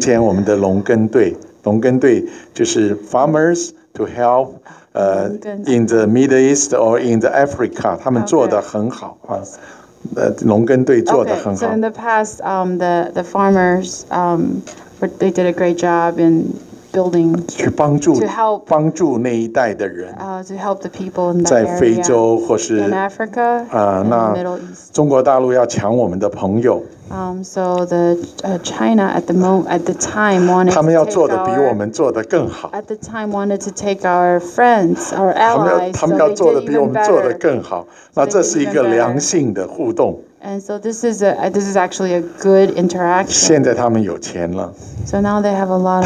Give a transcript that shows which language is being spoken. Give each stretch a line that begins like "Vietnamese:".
Chinese: 从前我们的农耕队，就是 farmers.
English: To help in the Middle East or in the Africa,
Chinese: 他们做得很好 农耕队做得很好
English: Okay, so in the past, the farmers, they did a great job in building
Chinese: 去帮助,
English: to help
Chinese: 帮助那一代的人
English: to help the people in that
Chinese: 在非洲或是,
English: area in Africa, in the Middle East
Chinese: 中国大陆要抢我们的朋友
English: So the China at the time wanted
Chinese: 他们要做的比我们做的更好
English: at the time wanted to take our friends, our allies
Chinese: 他们要做的比我们做的更好
English: so
Chinese: 那这是一个良性的互动
English: And so this is actually a good interaction.
Chinese: 现在他们有钱了。
English: So now they have a lot of money.